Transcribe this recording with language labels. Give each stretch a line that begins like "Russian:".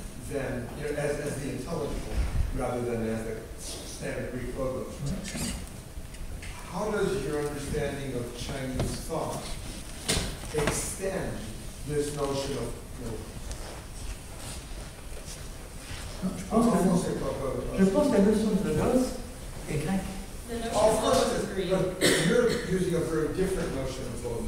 English: Than, you know, as the intelligible rather than as the standard Greek logos. Right? How does your understanding of Chinese thought extend this notion of logos?
French: Je pense que la notion de logos est grecque.
English: Of course, but you're using a very different notion of logos.